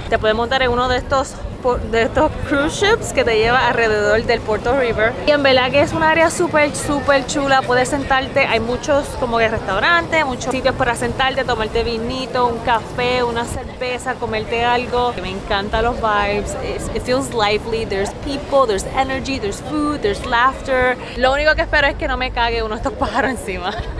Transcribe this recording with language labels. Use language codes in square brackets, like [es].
[es] Te puedes montar en uno de estos cruise ships que te lleva alrededor del Porto River. Y en verdad que es un área súper chula. Puedes sentarte, hay muchos como que restaurantes, muchos sitios para sentarte, tomarte vinito, un café, una cerveza, comerte algo. Me encantan los vibes. [en] It feels lively. There's people, there's energy, there's food, there's laughter. [es] Lo único que espero es que no me cague uno de estos pájaros encima.